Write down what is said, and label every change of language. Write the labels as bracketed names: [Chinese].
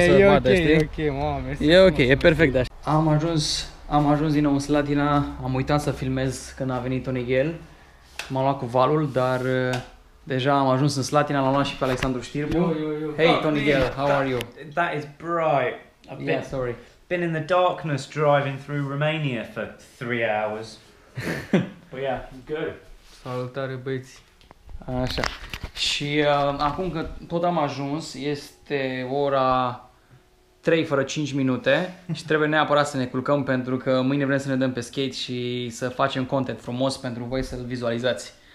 [Romanian] să e bată, okay, știi? E ok, e ok, e perfect așa. Am ajuns Am ajuns din nou în Slatina, am uitat să filmez când a venit Onighel. M-a luat cu valul, dar deja am ajuns în Slatina, l-am luat și pe Alexandru Știrbu. [English] Hey, Onighel, how are you? That is bright. I've been in the darkness driving through Romania for 3 hours. But yeah, good. [Romanian] Salutare, băieți. Așa. Și acum că tot am ajuns, este ora 3 fără 5 minute și trebuie neapărat să ne culcăm pentru că mâine vrem să ne dăm pe skate și să facem content frumos pentru voi să-l vizualizați.